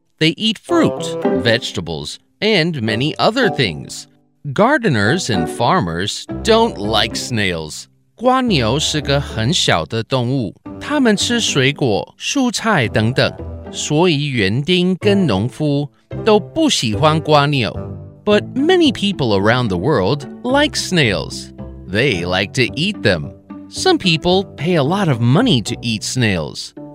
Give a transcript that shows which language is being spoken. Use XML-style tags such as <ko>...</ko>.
<en>They eat fruit, vegetables, and many other things. Gardeners and farmers don't like snails.</en> <zh>蝸牛是个很小的动物，它们吃水果、蔬菜等等，所以园丁跟农夫都不喜欢蝸牛。</zh> <en>But many people around the world like snails. They like to eat them. Some people pay a lot of money to eat snails.</en>